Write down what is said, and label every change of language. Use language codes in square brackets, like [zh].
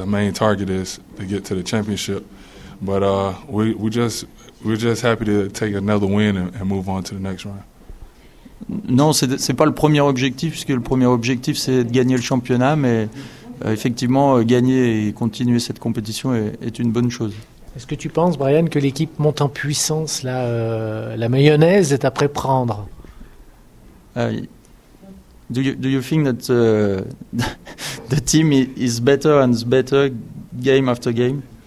[en] The main target is to get to the championship. But we're just happy to take another win and move on to the next round. [fr] Non, c'est pas le premier objectif, puisque le premier objectif c'est de gagner le championnat, mais effectivement gagner et continuer cette compétition est une bonne chose. Est-ce que tu penses, Brian, que l'équipe monte en puissance là, la mayonnaise est à préprendre? [en] Do you think that the team is better and better game after game?